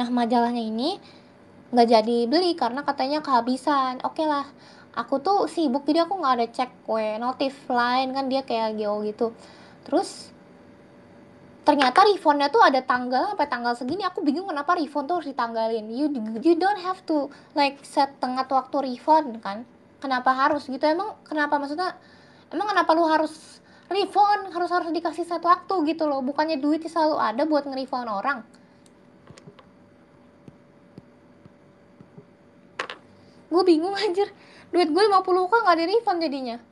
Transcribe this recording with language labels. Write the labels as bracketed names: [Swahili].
[Indonesian] Nah majalahnya ini nggak jadi beli karena katanya kehabisan. Oke lah, aku tuh sibuk jadi aku nggak ada cek kue notif lain kan, dia kayak geo gitu. Terus ternyata refundnya tuh ada tanggal sampai tanggal segini. Aku bingung kenapa refund tuh harus ditanggalin. [English] You don't have to like set [Indonesian] tengah waktu [English] refund kan? [Indonesian] Kenapa harus gitu? Emang kenapa maksudnya? Emang kenapa lu harus refund, harus dikasih satu waktu gitu loh. Bukannya duitnya selalu ada buat nge-refund orang. Gue bingung anjir. Duit gue 50k gak di-refund jadinya.